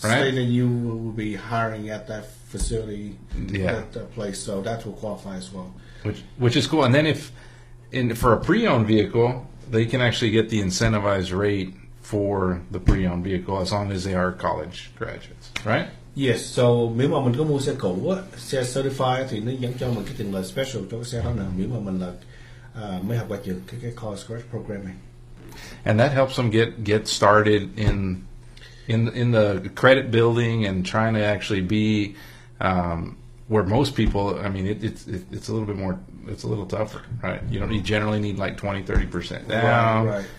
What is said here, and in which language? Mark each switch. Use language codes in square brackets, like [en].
[en] Say that you will be hiring at that facility, at that place. So that will qualify as well. Which is cool. And then for a pre-owned vehicle, they can actually get the incentivized rate for the pre-owned vehicle, as long as they are college graduates, right? Yes, so [vi] nếu mà mình có mua xe cũ á, xe certified thì nó vẫn cho mình cái tiền lời special cho cái xe đó nè, nếu mà mình là mới học qua trường cái course grad program này. [en] And that helps them get started in the credit building and trying to actually be where most people, I mean, it's a little bit more, it's a little tougher, right? You don't need generally need like 20, 30% Right, down. right.